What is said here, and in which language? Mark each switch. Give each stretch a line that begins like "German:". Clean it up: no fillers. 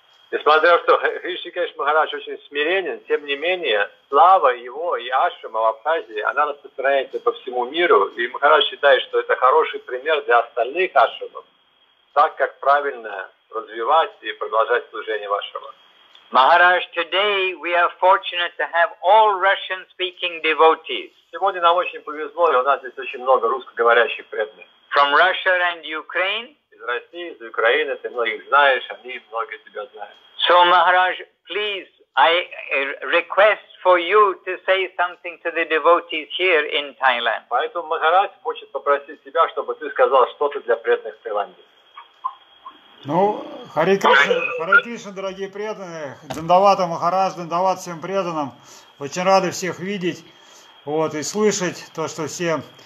Russian: Несмотря на то, что Хришикеш Махарадж очень смиренен, тем не менее, слава его и ашрама в Абхазии, она распространяется по всему миру, и Махарадж считает, что это хороший пример для остальных ашрамов, так как правильно развивать и продолжать служение вашему.
English: Махарадж, today we are fortunate to have all Russian-speaking devotees.
Russian: Сегодня нам очень повезло, и у нас здесь очень много русскоговорящих преданных.
English: From Russia and Ukraine.
Russian: Из России, из Украины, ты многих знаешь, они многие тебя знают.
English: So, Maharaj, please, I request for you to say something to the devotees here in Thailand.
Russian: Поэтому Махарадж хочет попросить тебя, чтобы ты сказал что-то для преданных в Таиланде. Ну, Харе Кришна, дорогие преданные, Дандавата Махарадж, Дандават всем преданным. Очень рады всех видеть, вот, и слышать то, что все...